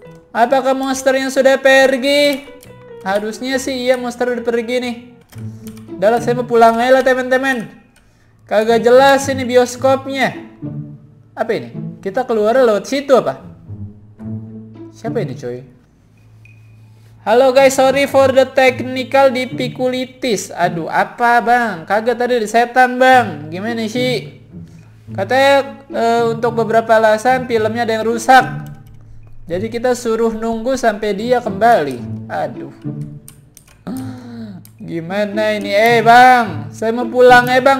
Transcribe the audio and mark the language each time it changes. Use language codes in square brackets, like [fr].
[id] Apakah monsternya sudah pergi? Harusnya sih iya, monster udah pergi nih. Dahlah, saya mau pulang aja lah, teman-teman. Kagak jelas ini bioskopnya. Apa ini? Kita keluar lewat situ apa? Siapa ini, coy? [en] Halo guys, sorry for the technical difficulties. [id] Aduh, apa bang? Kagak tadi di setan bang. Gimana sih? Katanya untuk beberapa alasan filmnya ada yang rusak. Jadi kita suruh nunggu sampai dia kembali. Aduh. Gimana ini? Bang, saya mau pulang bang.